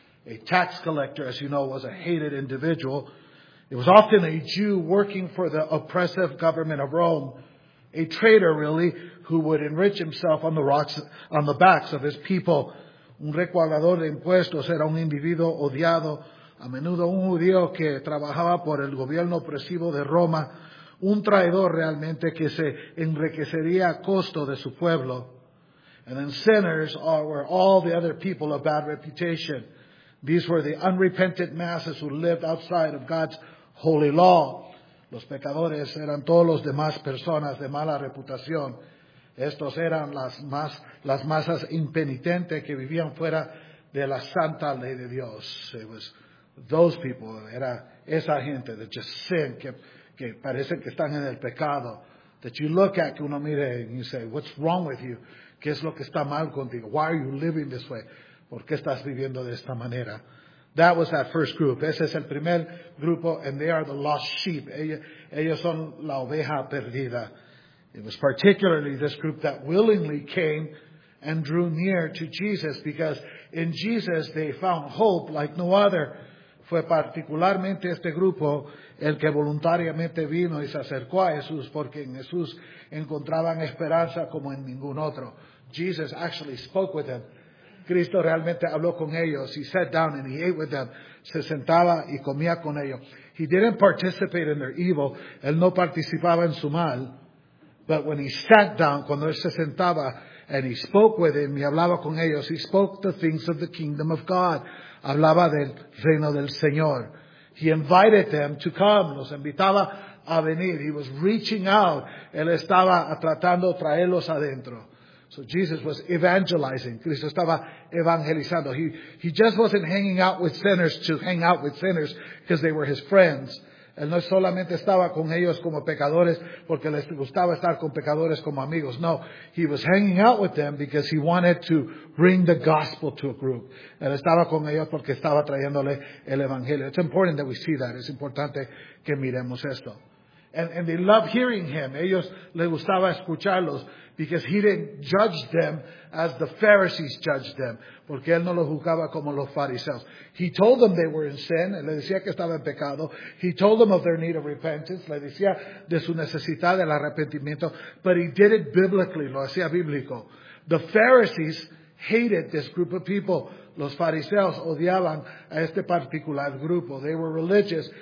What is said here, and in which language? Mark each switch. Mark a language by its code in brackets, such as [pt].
[en] A tax collector, as you know, was a hated individual. It was often a Jew working for the oppressive government of Rome. A traitor, really, who would enrich himself on the rocks, on the backs of his people. [es] Un recaudador de impuestos era un individuo odiado, a menudo un judío que trabajaba por el gobierno opresivo de Roma, un traidor realmente que se enriquecería a costo de su pueblo. [en] And then sinners were all the other people of bad reputation. These were the unrepentant masses who lived outside of God's holy law. [es] Los pecadores eran todos los demás personas de mala reputación. Estos eran las masas impenitentes que vivían fuera de la santa ley de Dios. [en] It was those people, [es] era esa gente [en] that just sin, [es] que parece que están en el pecado. [en] That you look at, [es] que uno mire, [en] and you say, what's wrong with you? [es] ¿Qué es lo que está mal contigo? [en] Why are you living this way? [es] ¿Por qué estás viviendo de esta manera? [en] That was that first group. [es] Ese es el primer grupo, [en] and they are the lost sheep. [es] Ellos son la oveja perdida. [en] It was particularly this group that willingly came and drew near to Jesus, because in Jesus they found hope like no other. [es] Fue particularmente este grupo el que voluntariamente vino y se acercó a Jesús, porque en Jesús encontraban esperanza como en ningún otro. [en] Jesus actually spoke with them. [es] Cristo realmente habló con ellos. [en] He sat down and he ate with them. [es] Se sentaba y comía con ellos. [en] He didn't participate in their evil. [es] Él no participaba en su mal. [en] But when he sat down, [es] cuando él se sentaba, [en] and he spoke with them, [es] y hablaba con ellos, [en] he spoke the things of the kingdom of God. [es] Hablaba del reino del Señor. [en] He invited them to come. [es] Los invitaba a venir. [en] He was reaching out. [es] Él estaba tratando de traerlos adentro. [en] So Jesus was evangelizing. [es] Cristo estaba evangelizando. [en] He just wasn't hanging out with sinners to hang out with sinners because they were his friends. [es] Él no solamente estaba con ellos como pecadores porque les gustaba estar con pecadores como amigos. [en] No, he was hanging out with them because he wanted to bring the gospel to a group. [es] Él estaba con ellos porque estaba trayéndole el evangelio. [en] It's important that we see that. [es] Es importante que miremos esto. [en] And they loved hearing him. [es] Ellos les gustaba escucharlos, [en] because he didn't judge them as the Pharisees judged them. [es] Porque él no los juzgaba como los fariseos. [en] He told them they were in sin. [es] Él les decía que estaba en pecado. [en] He told them of their need of repentance. [es] Les decía de su necesidad del arrepentimiento. [en] But he did it biblically. [es] Lo hacía bíblico. [en] The Pharisees hated this group of people. [es] Los fariseos odiaban a este particular grupo. [en] They were religious.